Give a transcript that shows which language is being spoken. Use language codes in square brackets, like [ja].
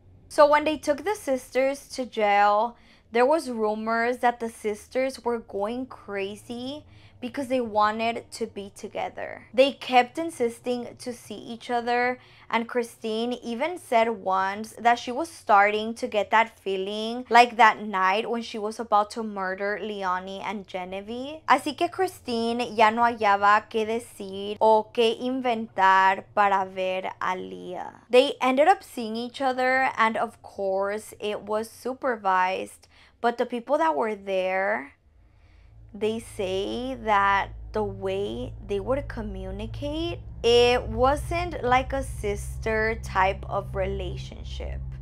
[en] So when they took the sisters to jail, there was rumors that the sisters were going crazy because they wanted to be together. They kept insisting to see each other, and Christine even said once that she was starting to get that feeling, like that night when she was about to murder Leonie and Genevieve. [es] Así que Christine ya no hallaba qué decir o qué inventar para ver a Leah. [en] They ended up seeing each other, and of course it was supervised, but the people that were there, they say that the way they would communicate, it wasn't like a sister type of relationship.